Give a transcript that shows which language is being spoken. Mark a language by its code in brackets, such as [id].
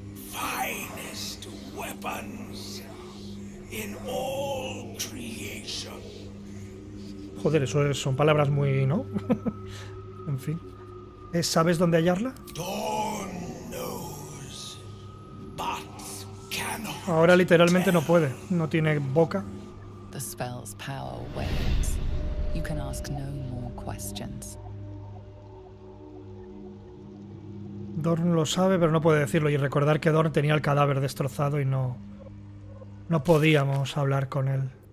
[en] Finest weapons in all creation. [es] Joder, eso es, son palabras muy, ¿no? En fin. ¿Sabes dónde hallarla? [en] Dawn knows, but cannot. [es] Ahora literalmente no puede, no tiene boca. [en] The spell's power wanes. You can ask no more questions. [es] Dorn lo sabe, pero no puede decirlo. Y recordar que Dorn tenía el cadáver destrozado y no, no podíamos hablar con él.